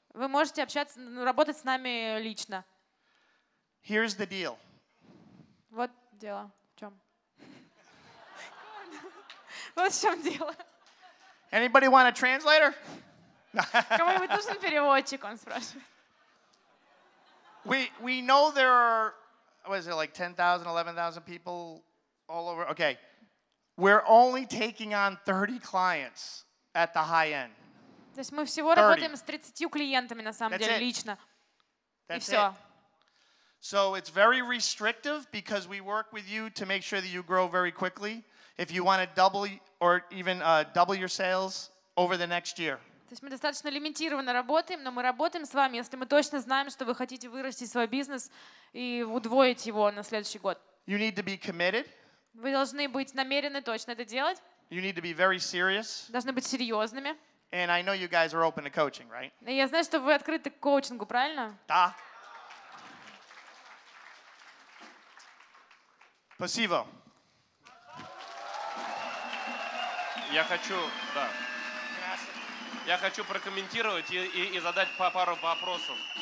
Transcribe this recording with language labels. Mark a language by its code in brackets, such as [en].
[ru] Вы можете общаться, работать с нами лично. [en] Here's the deal. [ru] Вот дело. В чем? Вот в чем дело. [en] Anybody want a translator? [ru] Кому-нибудь нужен переводчик, он спрашивает. [en] We know there are, what is it, like 10,000, 11,000 people all over? Okay. We're only taking on 30 clients at the high end. [ru] То есть мы всего работаем с 30 клиентами, на самом деле, лично. [en] That's [ru] и все. [en] So it's very restrictive because we work with you to make sure that you grow very quickly. If you want to double or even double your sales over the next year. [ru] То есть мы достаточно лимитированно работаем, но мы работаем с вами, если мы точно знаем, что вы хотите вырасти свой бизнес и удвоить его на следующий год. [en] You need to be committed. [ru] Вы должны быть намерены точно это делать. [en] You need to be very serious. [ru] Должны быть серьезными. [en] And I know you guys are open to coaching, right? [ru] И я знаю, что вы открыты к коучингу, правильно? Да. Спасибо. Я хочу, да. Я хочу прокомментировать и задать пару вопросов.